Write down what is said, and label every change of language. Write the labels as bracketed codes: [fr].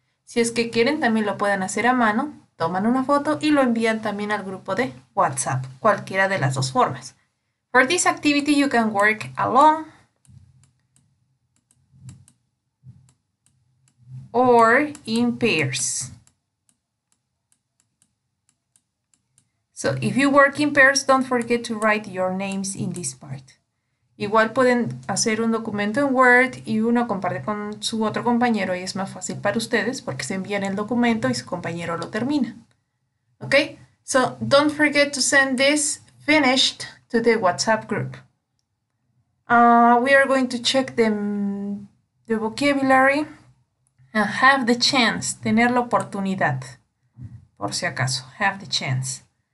[es] Si es que quieren, también lo pueden hacer a mano, toman una foto y lo envían también al grupo de WhatsApp, cualquiera de las dos formas. [en] For this activity, you can work alone, or in pairs. So, if you work in pairs, don't forget to write your names in this part. [es] Igual pueden hacer un documento en Word y uno comparte con su otro compañero y es más fácil para ustedes porque se envían el documento y su compañero lo termina. [en] Okay? So, don't forget to send this finished to the WhatsApp group. We are going to check the vocabulary and have the chance, [es] tener la oportunidad, por si acaso, [en] have the chance.